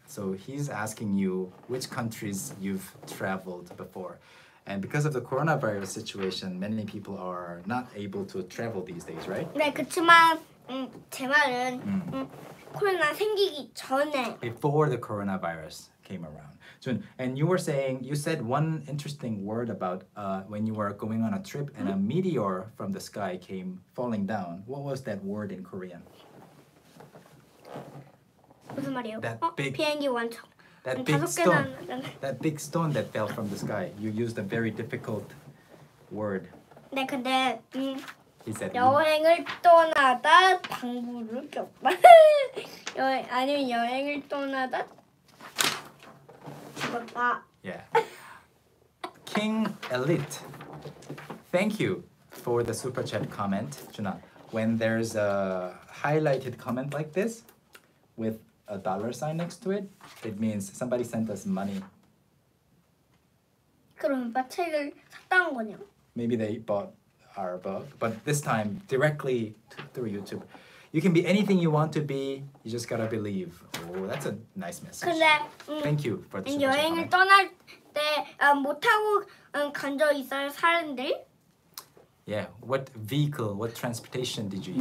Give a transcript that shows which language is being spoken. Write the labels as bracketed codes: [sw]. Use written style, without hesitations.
[en] So he's asking you which countries you've traveled before. And because of the coronavirus situation, many people are not able to travel these days, right? [ko] 네, 그렇지만 제 말은 코로나 생기기 전에 [en] Before the coronavirus came around. Jun, and you said one interesting word about when you were going on a trip and a meteor from the sky came falling down. What was that word in Korean? [ko] 무슨 말이에요? [en] That big stone that fell from the sky. You used a very difficult word. [ko] 네, 근데 [en] He said, [ko] 여행을 떠나다 방구를 꼈다. 아니면 여행을 떠나다 죽었다. [en] Yeah. King Elite, thank you for the super chat comment, Juna. When there's a highlighted comment like this, with a dollar sign next to it, it means somebody sent us money. [ko] 그럼 오빠 책을 샀다는 거냐? [en] Maybe they bought our book, but this time directly through YouTube. You can be anything you want to be, you just gotta believe. Oh, that's a nice message. [ko] 근데, [en] Thank you for the [ko] 여행을 떠날 때 못하고 간 적 있어요, 사람들? [en] Yeah, what vehicle, what transportation did you use?